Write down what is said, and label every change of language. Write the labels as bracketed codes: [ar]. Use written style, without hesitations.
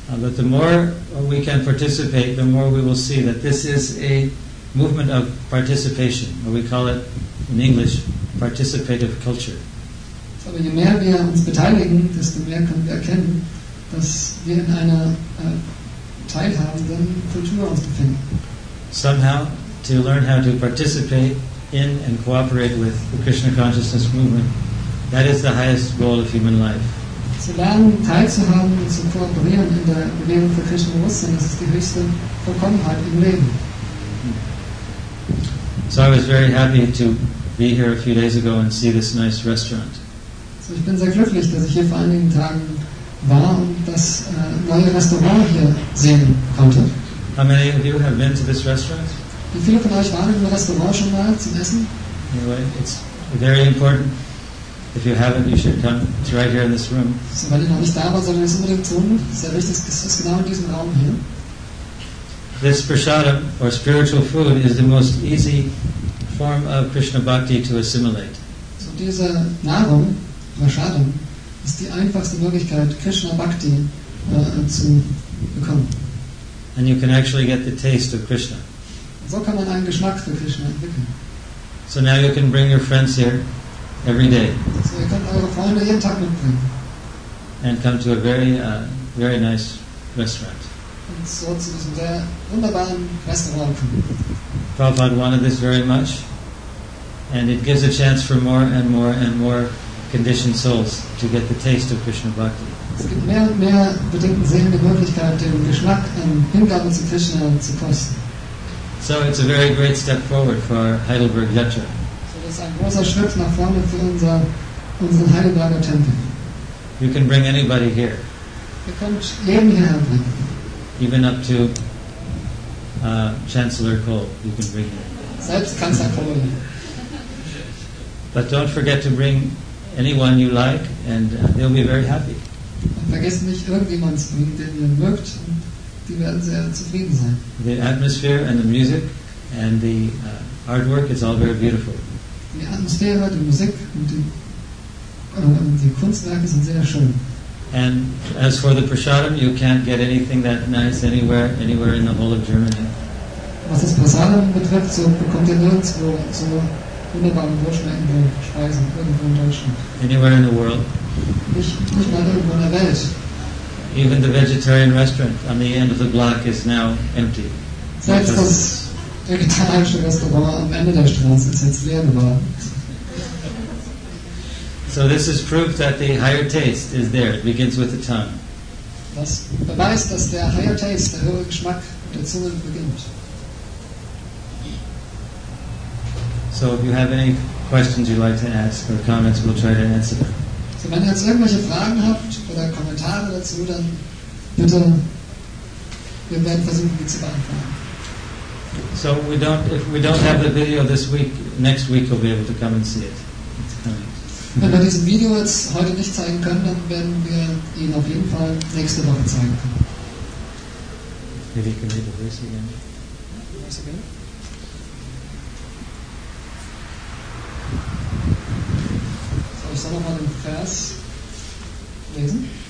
[en] But the more we can participate, the more we will see that this is a movement of participation. Or we call it in English participative culture. [de] Aber je mehr wir uns beteiligen, desto mehr können wir erkennen, dass wir in einer teilhabenden Kultur uns befinden. [en] Somehow, to learn how to participate in and cooperate with the Krishna consciousness movement, that is the highest goal of human life. [de] Zu lernen, teilzuhaben und zu kooperieren in der Bewegung für Krishna Bewusstsein, das ist die höchste Vollkommenheit im Leben. [en] So I was very happy to be here a few days ago and see this nice restaurant. [de] So ich bin sehr glücklich, dass ich hier vor einigen Tagen war und das neue Restaurant hier sehen konnte. [en] How many of you have been to this restaurant? [de] Wie viele von euch waren im Restaurant schon mal zum Essen? [en] Anyway, it's very important. If you haven't, you should come. It's right here in this room. [de] So, wenn ihr noch nicht da wart, solltet ihr es unbedingt tun. Sehr wichtig, es ist genau in diesem Raum hier. [en] This prasadam, or spiritual food, is the most easy form of Krishna Bhakti to assimilate. [de] So diese Nahrung, prasadam, ist die einfachste Möglichkeit, Krishna Bhakti zu bekommen. [en] And you can actually get the taste of Krishna. [de] So kann man einen Geschmack für Krishna entwickeln. [en] So now you can bring your friends here every day. [de] So ihr könnt eure Freunde jeden Tag mitbringen. [en] And come to a very, very nice restaurant. [de] Und so zu diesem sehr wunderbaren Restaurant kommen. [en] Prabhupada wanted this very much. And it gives a chance for more and more and more conditioned souls to get the taste of Krishna Bhakti. [de] Es gibt mehr und mehr bedingten Seelen die Möglichkeit, den Geschmack an Hingabe zu Krishna zu kosten. [en] So it's a very great step forward for our Heidelberg Yatra. [de] So das ist ein großer Schritt nach vorne für unseren Heidelberger Tempel. [en] You can bring anybody here. [de] Ihr könnt jeden hierher bringen. [en] Even up to Chancellor Kohl, you can bring him. [de] Selbst Kanzler Kohl. [en] But don't forget to bring anyone you like, and they'll be very happy. [de] Und vergesst nicht, irgendjemanden zu bringen, den ihr mögt. Die werden sehr zufrieden sein. [en] The atmosphere and the music and the artwork is all very beautiful. [de] Die Atmosphäre, die Musik und die Kunstwerke sind sehr schön. [en] And as for the prasadam, you can't get anything that nice anywhere in the whole of Germany. [de] Was das Prasadam betrifft, so bekommt ihr nirgendwo so wunderbare wohlschmeckende Speisen irgendwo in Deutschland. [en] Anywhere in the world. [de] Nicht mal irgendwo in der Welt. [en] Even the vegetarian restaurant on the end of the block is now empty. [de] Selbst das vegetarische Restaurant am Ende der Straße ist jetzt leer geworden. [en] So this is proof that the higher taste is there. It begins with the tongue. [de] Das beweist, dass der [en] higher taste, [de] der höhere Geschmack der Zunge beginnt. [en] So if you have any questions you'd like to ask or comments, we'll try to answer them. [de] So wenn ihr jetzt irgendwelche Fragen habt oder Kommentare dazu, dann bitte, wir werden versuchen, die zu beantworten. [en] So if we don't have the video this week, next week we'll be able to come and see it. [de] Wenn wir diesen Video jetzt heute nicht zeigen können, dann werden wir ihn auf jeden Fall nächste Woche zeigen können. [en] Maybe you can read the verse again. [de] Soll ich nochmal den Vers lesen?